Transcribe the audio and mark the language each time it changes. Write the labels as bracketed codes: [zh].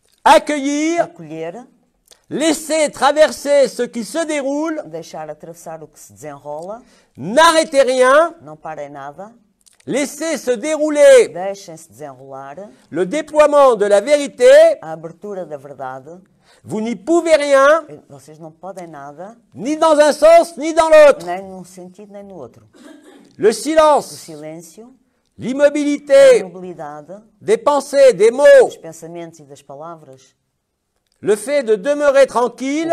[fr] Accueillir. [pt] Acolher. [fr] Laisser traverser ce qui se déroule. [pt] Deixar atravessar o que se desenrola. [fr] N'arrêtez rien. [pt] Não parem nada. [fr] Laissez se dérouler. [pt] Deixem-se desenrolar. [fr] Le déploiement de la vérité. [pt] A abertura da verdade. [fr] Vous n'y pouvez rien. [pt] Vocês não podem nada. [fr] Ni dans un sens, ni dans l'autre. [pt] Nem num sentido, nem no outro. [fr] Le silence. [pt] O silêncio. [fr] L'immobilité. [pt] A imobilidade. [fr] Des pensées, des mots. [pt] Dos pensamentos e das palavras. [fr] Le fait de demeurer tranquille.